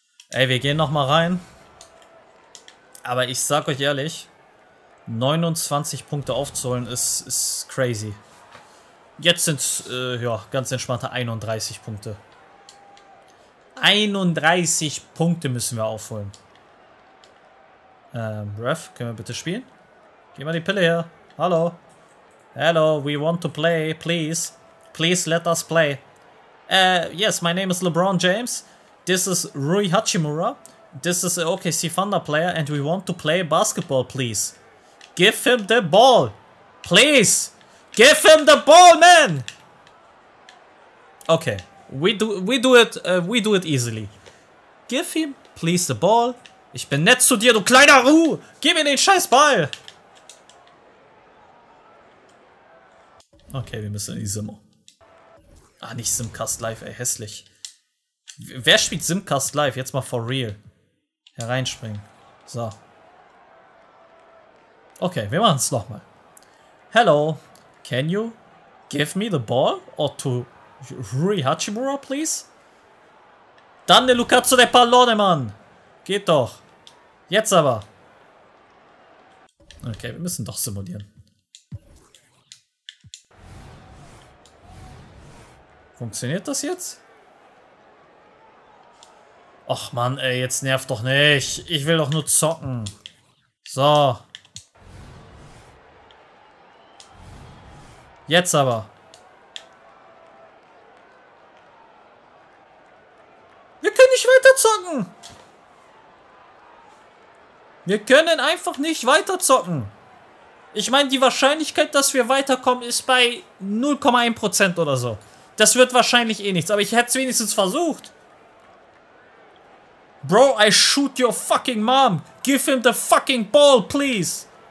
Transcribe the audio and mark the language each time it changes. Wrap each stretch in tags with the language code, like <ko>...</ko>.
<de>Ey, wir gehen nochmal rein. Aber ich sag euch ehrlich, 29 Punkte aufzuholen ist crazy. Jetzt sind es, ja, ganz entspannte 31 Punkte. 31 Punkte müssen wir aufholen. Ref, können wir bitte spielen? Gib mal die Pille her. Hallo.</de> <en>Hello, we want to play, please. Please let us play. Yes, my name is LeBron James. This is Rui Hachimura. This is a OKC Thunder player and we want to play basketball, please. Give him the ball. Please. Give him the ball, man. Okay. We do it easily. Give him, please, the ball.</en> <de>Ich bin nett zu dir, du kleiner Ruh. Gib mir den scheiß Ball. Okay, wir müssen in die Simmo. Ah, nicht Simcast Live, ey, hässlich. Wer spielt Simcast Live? Jetzt mal</de> <en>for real.</en> <de>Hereinspringen. So. Okay, wir machen es nochmal.</de> <en>Hello, can you give me the ball or to Rui Hachimura, please?</en> <it>Danne Lucazzo de Pallone,</it> <de>Mann. Geht doch. Jetzt aber. Okay, wir müssen doch simulieren. Funktioniert das jetzt? Och Mann, ey, jetzt nervt doch nicht. Ich will doch nur zocken. So. Jetzt aber. Wir können nicht weiter zocken. Wir können einfach nicht weiter zocken. Ich meine, die Wahrscheinlichkeit, dass wir weiterkommen, ist bei 0,1% oder so. Das wird wahrscheinlich eh nichts, aber ich hätte es wenigstens versucht.</de> <en>Bro, I shoot your fucking mom. Give him the fucking ball, please.</en>